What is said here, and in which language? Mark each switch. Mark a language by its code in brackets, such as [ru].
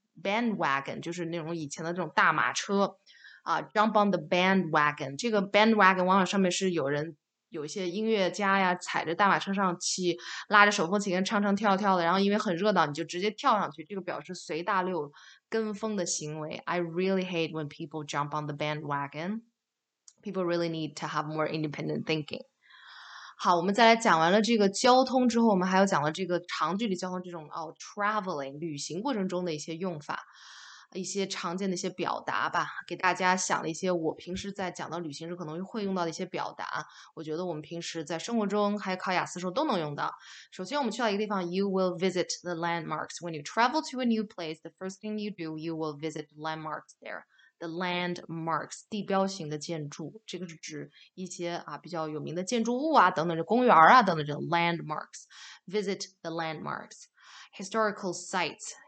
[zh] Bandwagon 就是那种以前的这种大马车。 [en] Jump on the bandwagon. [zh] 这个 bandwagon 往往上面是有人，有一些音乐家呀，踩着大马车上去，拉着手风琴唱唱跳跳的，然后因为很热闹，你就直接跳上去，这个表示随大流跟风的行为。 [en] I really hate when people jump on the bandwagon. People really need to have more independent thinking. [zh] 好，我们再来讲完了这个交通之后，我们还要讲了这个长距离交通这种traveling 旅行过程中的一些用法。一些常见的一些表达吧，给大家想了一些我平时在讲到旅行时可能会用到的一些表达，我觉得我们平时在生活中还有考雅思时候都能用到。首先我们去到一个地方 [en] You will visit the landmarks. When you travel to a new place, the first thing you do, you will visit the landmarks there. [zh] The landmarks, 地标型的建筑，这个是指一些比较有名的建筑物啊等等，公园啊等等，这 landmarks. [en] Visit the landmarks. Historical sites.